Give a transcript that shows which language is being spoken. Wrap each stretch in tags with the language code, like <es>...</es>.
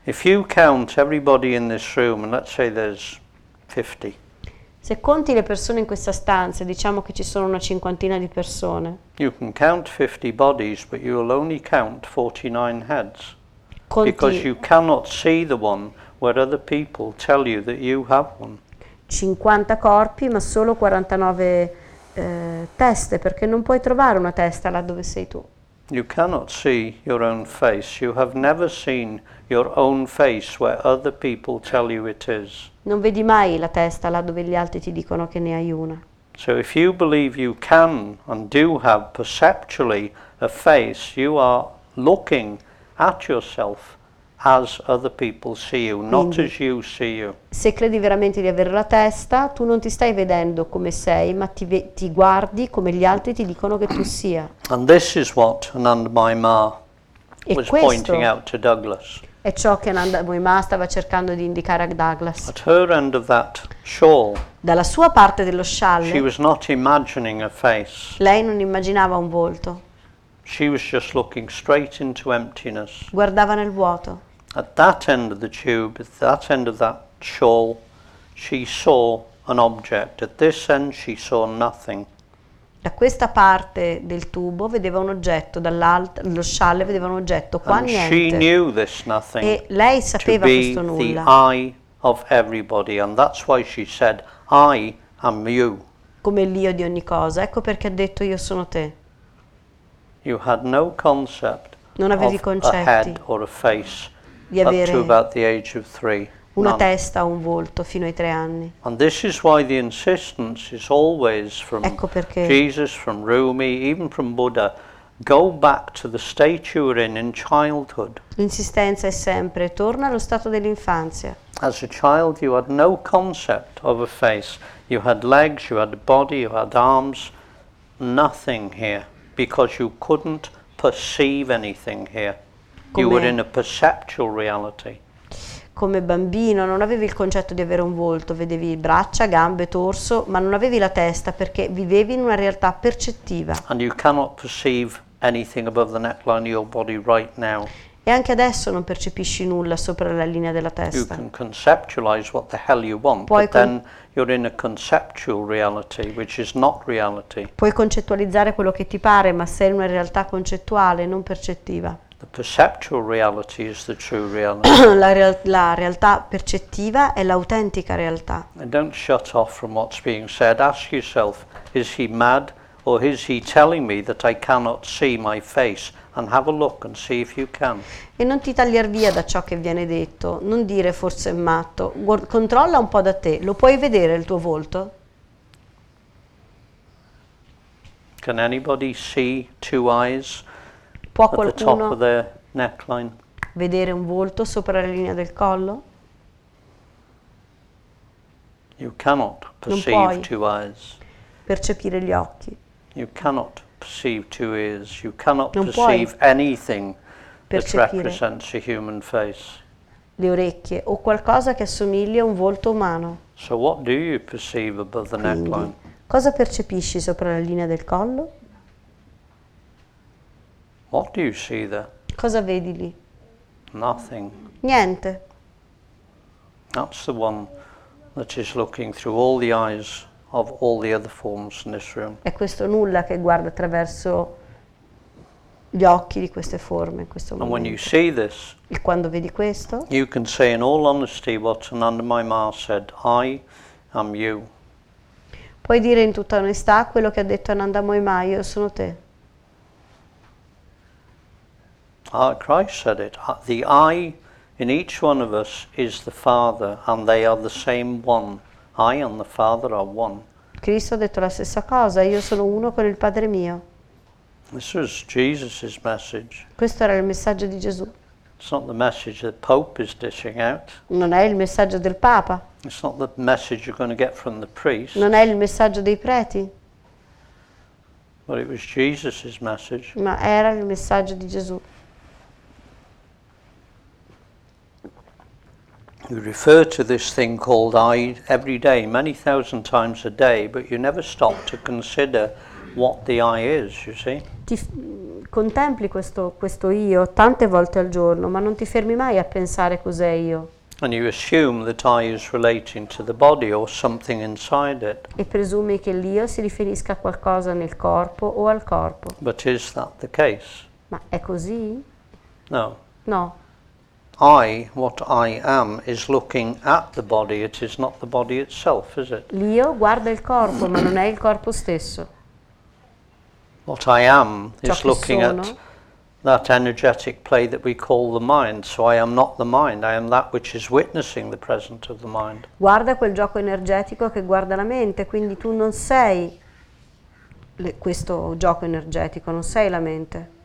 <en>If you count everybody in this room, and let's say there's 50.</en> <it>Se conti le persone in questa stanza, diciamo che ci sono una cinquantina di persone.</it> <en>You can count 50 bodies, but you will only count 49 heads.</en> <it>Conti</it> <en>because you cannot see the one where other people tell you that you have one.</en> <it>50 corpi, ma solo 49 teste, perché non puoi trovare una testa là dove sei tu.</it> <en>You cannot see your own face. You have never seen your own face where other people tell you it is.</en> <it>Non vedi mai la testa là dove gli altri ti dicono che ne hai una.</it> <en>So if you believe you can and do have perceptually a face, you are looking at yourself as other people see you, not</en> <it>quindi,</it> <en>as you see you.</en> <it>Se credi veramente di avere la testa, tu non ti stai vedendo come sei, ma ti guardi come gli altri ti dicono che tu sia.</it> <en>And this is what Ananda Mahima was pointing out to Douglas.</en> <it>È ciò che Nandamoima stava cercando di indicare a Douglas.</it> <en>At her end of that shawl,</en> <it>dalla sua parte dello scialle,</it> <en>she was not imagining a face.</en> <it>Lei non immaginava un volto.</it> <en>She was just looking straight into emptiness.</en> <it>Guardava nel vuoto.</it> <en>At that end of the tube, at that end of that shawl, she saw an object. At this end, she saw nothing.</en> <it>Da questa parte del tubo vedeva un oggetto, dallo scialle vedeva un oggetto, qua</it> <en>and</en> <it>niente.</it> <en>She knew this nothing</en> <it>e lei sapeva questo nulla.</it> <en>The eye of everybody, and that's why she said, I am you.</en> <it>Come l'io di ogni cosa, ecco perché ha detto io sono te.</it> <en>You had no concept</en> <it>non avevi</it> <en>of</en> <it>concetti</it> <en>a head or a face</en> <it>di avere</it> <en>up to about the age of three.</en> <it>Una testa o un volto fino ai tre anni.</it> <en>And this is why the insistence is always from</en> <it>ecco perché</it> <en>Jesus, from Rumi, even from Buddha, go back to the state you were in childhood.</en> <it>L'insistenza è sempre torna allo stato dell'infanzia.</it> <en>As a child you had no concept of a face. You had legs, you had a body, you had arms, nothing here because you couldn't perceive anything here.</en> <it>Com'è?</it> <en>You were in a perceptual reality.</en> <it>Come bambino non avevi il concetto di avere un volto, vedevi braccia, gambe, torso, ma non avevi la testa perché vivevi in una realtà percettiva.</it> <en>And you cannot perceive anything above the neckline of your body right now.</en> <it>E anche adesso non percepisci nulla sopra la linea della testa.</it> <en>You can conceptualize what the hell you want,</en> <it>puoi</it> <en>but then you're in a conceptual reality, which is not reality.</en> <it>Puoi concettualizzare quello che ti pare, ma sei in una realtà concettuale, non percettiva.</it> <en>The perceptual reality is the true reality.</en> <it>La realtà percettiva è l'autentica realtà.</it> <en>And don't shut off from what's being said. Ask yourself, is he mad or is he telling me that I cannot see my face? And have a look and see if you can.</en> <it>E non ti tagliar via da ciò che viene detto. Non dire forse è matto. Controlla un po' da te. Lo puoi vedere il tuo volto?</it> <en>Can anybody see two eyes?</en> <it>Può qualcuno</it> <en>at the top of the neckline.</en> <it>Vedere un volto sopra la linea del collo?</it> <en>You cannot perceive two eyes.</en> <it>Percepire gli occhi.</it> <en>You cannot perceive two ears. You cannot perceive anything</en> <it>percepire</it> <en>that represents a human face.</en> <it>Le orecchie o qualcosa che assomiglia a un volto umano.</it> <en>So what do you perceive above the neckline?</en> <it>Cosa percepisci sopra la linea del collo?</it> <en>What do you see there?</en> <it>Cosa vedi lì?</it> <en>Nothing.</en> <it>Niente.</it> <en>That's the one that is looking through all the eyes of all the other forms in this room.</en> <it>È questo nulla che guarda attraverso gli occhi di queste forme in questo momento.</it> <en>And when you see this,</en> <it>e quando vedi questo,</it> <en>you can say in all honesty what Nandamoima said, I am you.</en> <it>Puoi dire in tutta onestà quello che ha detto Nandamoima, io sono te.</it> <en>Christ said it. The I in each one of us is the Father, and they are the same one. I and the Father are one.</en> <it>Cristo ha detto la stessa cosa. Io sono uno con il Padre mio.</it> <en>This was Jesus's message.</en> <it>Questo era il messaggio di Gesù.</it> <en>It's not the message the Pope is dishing out.</en> <it>Non è il messaggio del Papa.</it> <en>It's not the message you're going to get from the priest.</en> <it>Non è il messaggio dei preti.</it> <en>But it was Jesus's message.</en> <it>Ma era il messaggio di Gesù.</it> <en>You refer to this thing called I every day, many thousand times a day, but you never stop to consider what the I is, you see?</en> <it>Ti contempli questo io tante volte al giorno, ma non ti fermi mai a pensare cos'è io.</it> <en>And you assume that I is relating to the body or something inside it.</en> <it>E presumi che l'io si riferisca a qualcosa nel corpo o al corpo.</it> <en>But is that the case?</en> <it>Ma è così?</it> <en>No.</en> <it>No.</it> <en>I, what I am, is looking at the body, it is not the body itself, is it?</en> <it>L'io guarda il corpo, ma non è il corpo stesso.</it> <en>What I am is looking</en> <it>sono</it> <en>at that energetic play that we call the mind, so I am not the mind, I am that which is witnessing the presence of the mind.</en> <it>Guarda quel gioco energetico che guarda la mente, quindi tu non sei questo gioco energetico, non sei la mente.</it>